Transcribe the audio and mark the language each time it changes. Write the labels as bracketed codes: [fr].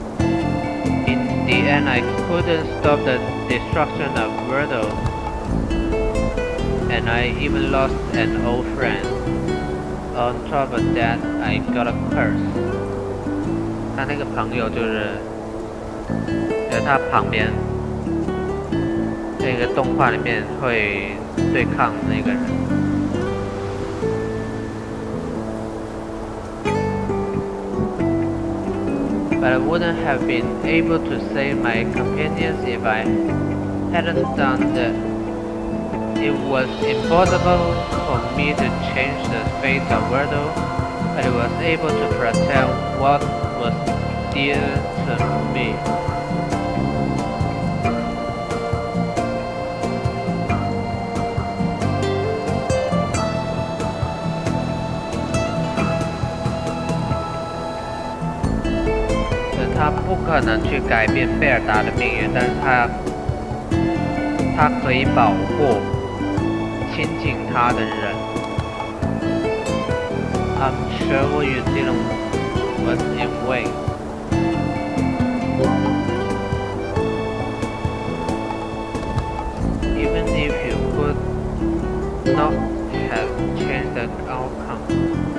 [en] And I couldn't stop the destruction of Verdo. And I even lost an old friend. On top of that, I got a curse. [zh] 他那个朋友就是在他旁边那个动画里面会对抗那个人。 [en] But I wouldn't have been able to save my companions if I hadn't done that. It was impossible for me to change the fate of Verdo, but I was able to protect what was dear to me. [zh] 可能去改变贝尔达的命运，但是他可以保护亲近他的人。 [en] I'm sure what you didn't was in vain. Even if you could not have changed the outcome.